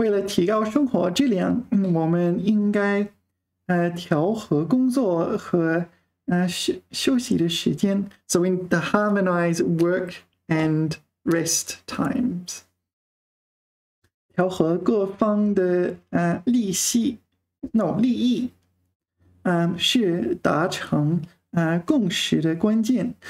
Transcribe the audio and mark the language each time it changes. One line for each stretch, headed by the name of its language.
Chinese: 为了提高生活质量, 我们应该, 调和工作和, 休息的时间.
English: So we need to harmonize work and rest times.
Chinese: 调和各方的, 利息, no, 利益, 是达成, 共识的关键.